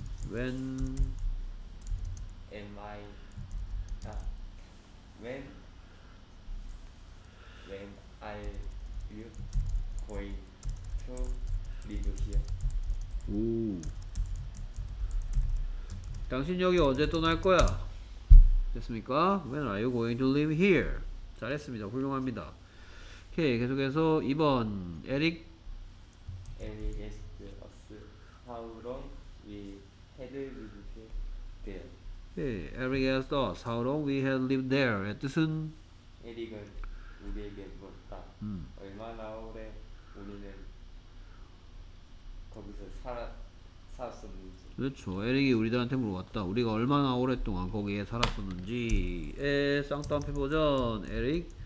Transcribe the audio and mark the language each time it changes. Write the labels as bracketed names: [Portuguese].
[English] when am I when are you going to live here? [Korean] 오 당신 여기 언제 떠날 거야? 됐습니까? [English] When are you going to live here? [Korean] 잘했습니다. 훌륭합니다. 오케이, 계속해서 2번 에릭. [English] Eric asked us how long we had lived there. 오케이, Eric asked us how long we had lived there. [Korean] 의 뜻은? 에릭은 우리에게 물었다. 얼마나 오래 우리는 거기서 살았었는지. 그렇죠. 에릭이 우리들한테 물어봤다. 우리가 얼마나 오랫동안 거기에 살았었는지. 에 쌍따옴표 버전. 에릭